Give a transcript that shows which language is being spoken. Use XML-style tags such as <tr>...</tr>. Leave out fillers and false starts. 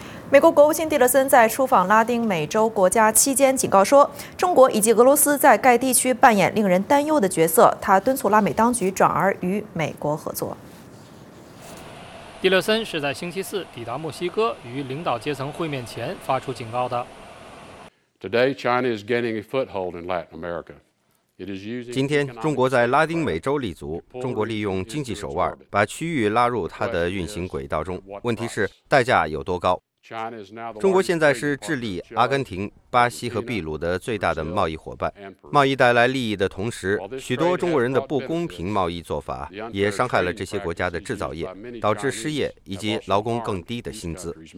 <zh>美国国务卿蒂勒森在出访拉丁美洲国家期间警告说，中国以及俄罗斯在该地区扮演令人担忧的角色，他敦促拉美当局转而与美国合作。蒂勒森是在星期四抵达墨西哥与领导阶层会面前发出警告的。</zh> <en>Today, China is gaining a foothold in Latin America. It is using.</en> <zh>今天，中国在拉丁美洲立足。中国利用经济手腕把区域拉入它的运行轨道中。问题是，代价有多高？中国现在是智利、阿根廷、巴西和秘鲁的最大的贸易伙伴。贸易带来利益的同时，许多中国人的不公平贸易做法也伤害了这些国家的制造业，导致失业以及劳工更低的薪资。</zh>